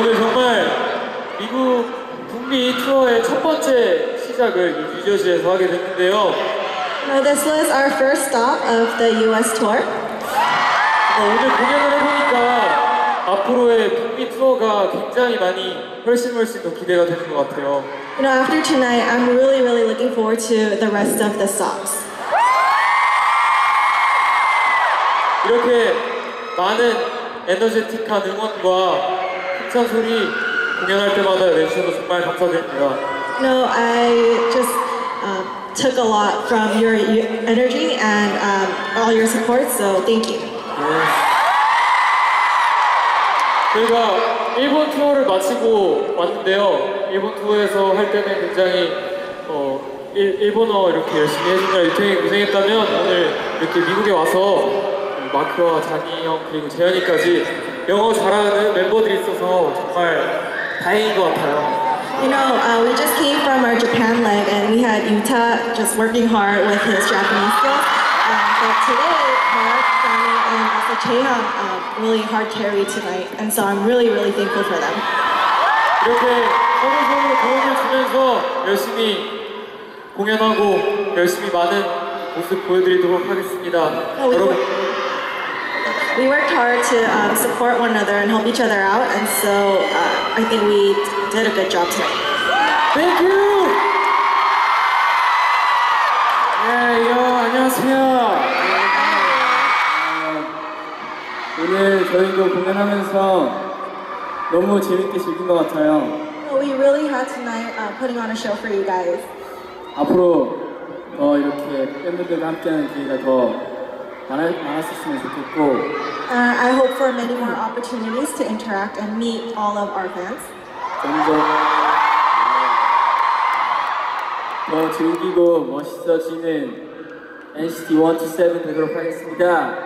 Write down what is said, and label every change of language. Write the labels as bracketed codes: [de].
[ko] 네, 오늘 정말 미국 북미 투어의 첫 번째 시작을 뉴저지에서 하게 됐는데요. [en] Well, this was our first stop of the U.S. tour. [ko] 오늘 공연을 해보니까 앞으로의 북미 투어가 굉장히 많이 훨씬 더 기대가 되는 것 같아요. [en] You know, after tonight, I'm really, really looking forward to the rest of the stops. [ko] 이렇게 많은 에너제틱한 응원과 흥찬 소리 공연할 때마다 내주셔서 정말 감사드립니다. [en] You know, I just took a lot from your energy and all your support, so thank you. [ko] 저희가 일본 투어를 마치고 왔는데요. 일본 투어에서 할 때는 굉장히 일본어 이렇게 열심히 해주느라 유태이 고생했다면 오늘 이렇게 미국에 와서 마크와 자기 형 그리고 재현이까지 영어 잘하는 멤버들이 있어서 정말 다행인 것 같아요. [en] You know, we just came from our Japan leg and we had Yuta just working hard with his Japanese skills. But today, Mark, Johnny, and also Chaehyun really hard carry tonight. And so I'm really, really thankful for them. [ko] 이렇게 서로서로 도움을 주면서 열심히 공연하고 열심히 많은 모습 보여드리도록 하겠습니다. [en] We worked hard to support one another and help each other out, and so I think we did a good job tonight. Thank you! [ko] Yeah, yo, 안녕하세요. 오늘 저희도 공연하면서 너무 재밌게 즐긴 것 같아요. [en] We really had tonight putting on a show for you guys. [ko] 앞으로 더 이렇게 팬분들과 함께하는 기회가 더 많았었으면 좋겠고 [en] I hope for many more opportunities to interact and meet all of our fans. [ko] 더 즐기고 멋있어지는 NCT 127 되도록 하겠습니다.